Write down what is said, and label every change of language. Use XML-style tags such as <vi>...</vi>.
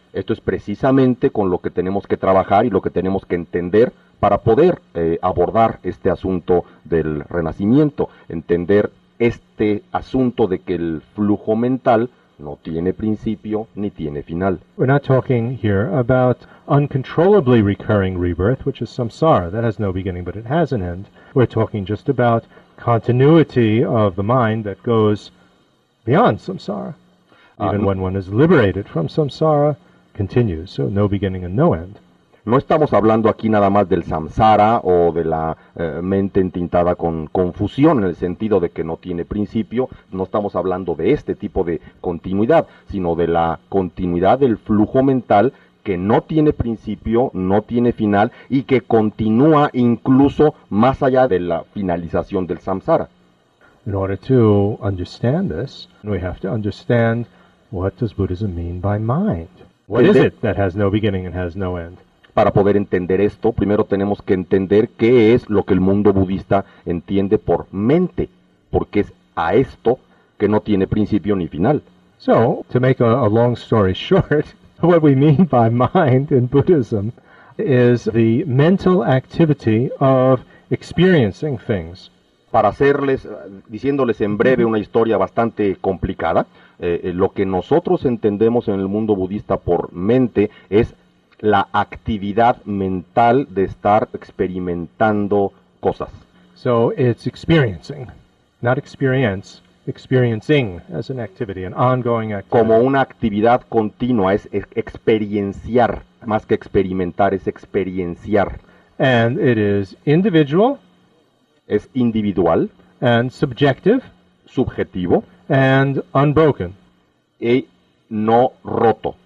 <es>Esto es precisamente con lo que tenemos que trabajar y lo que tenemos que entender para poder abordar este asunto del renacimiento. Entender este asunto de que el flujo mental no tiene principio ni tiene final.</es> <en>We're not talking here about uncontrollably recurring rebirth, which is samsara, that has no beginning but it has an end. We're talking just about continuity of the mind that goes beyond samsara. Even when one is liberated from samsara, continues, so no beginning and no end.</en> <es>No estamos hablando aquí nada más del samsara o de la mente entintada con confusión en el sentido de que no tiene principio. No estamos hablando de este tipo de continuidad, sino de la continuidad del flujo mental que no tiene principio, no tiene final y que continúa incluso más allá de la finalización del samsara.</es> <en>In order to understand this, we have to understand what does Buddhism mean by mind. What is it that has no beginning and has no end?</en> <es>Para poder entender esto, primero tenemos que entender qué es lo que el mundo budista entiende por mente, porque es a esto que no tiene principio ni final.</es> <en>So, to make a long story short, what we mean by mind in Buddhism is the mental activity of experiencing things.</en> <es>Para hacerles, diciéndoles en breve una historia bastante complicada, lo que nosotros entendemos en el mundo budista por mente es la actividad mental de estar experimentando cosas.</es> <en>So it's experiencing, not experience, experiencing as an activity, an ongoing activity.</en> <es>Como una actividad continua, es experienciar, más que experimentar, es experienciar.</es> <en>And it is individual.</en> <es>Es individual.</es> <en>And subjective.</en> <es>Subjetivo.</es> <en>And unbroken.</en> <es>Y no roto.</es>